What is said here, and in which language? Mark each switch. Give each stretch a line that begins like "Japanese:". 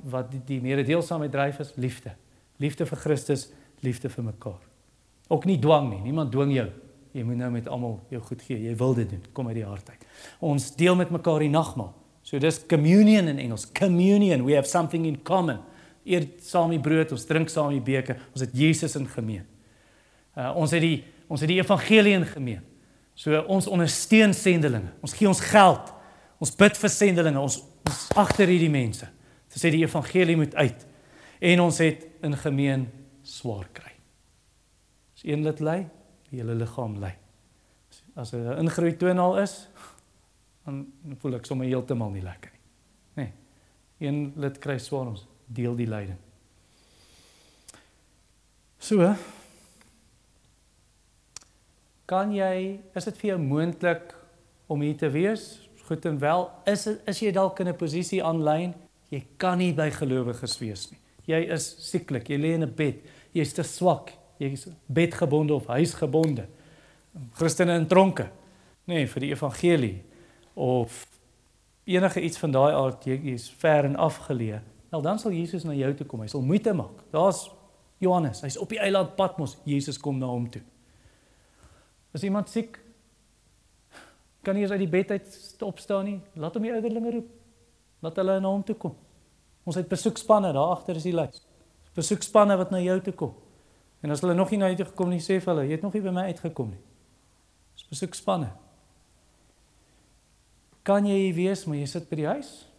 Afrikaans: Wat die mededeelsaamheid drijf is, liefde. Liefde vir Christus, liefde vir mekaar. Ook nie dwang nie, niemand dwing jou. Jy moet nou met allemaal jou goed gee, jy wil dit doen, kom uit die hart uit. Ons deel met mekaar die nagmaal. So dis communion in Engels.
English: Communion, we have something in common.
Afrikaans: Eet saam die brood, ons drink saam die beker. Ons het Jesus in gemeen. Ons het die evangelie in gemeen. So ons ondersteun sendelinge. Ons gee ons geld. Ons bid vir sendelinge. Ons agter hierdie mense. So sê die evangelie moet uit. En ons het in gemeen swaar kry. As een lid ly, die hele liggaam ly. As 'n ingroei toenaal is, dan voel ek sommer heeltemal nie lekker nie. Nee. Een lid kry swaar, ons deel die lyding. So, kan jy, is dit vir jou moontlik om hier te wees? Goed en wel, is jy dalk in 'n posisie aanlyn? Jy kan nie by gelowiges wees nie. Jy is sieklik, jy lê in 'n bed, jy is te swak, jy is bedgebonde of huisgebonde. Christene in tronke, nee, vir die evangelie, of enige iets van daai aard, jy is ver en afgeleë. Wel, dan sal Jesus na jou toe kom, hy sal moeite maak. Daar's Johannes, hy is op die eiland Patmos, Jesus kom na hom toe. Is iemand siek? Kan nie eens uit die bed uit opstaan nie? Laat hom die ouderlinge roep, laat hulle na hom toe kom. Ons het besoekspanne, daar agter is die lys. Besoekspanne wat na jou toe kom. En as hulle nog nie na jou toe gekom nie, sê vir hulle, jy het nog nie by my uitgekom nie. Dis besoekspanne. Kan jy hier wees, maar jy sit by die huis?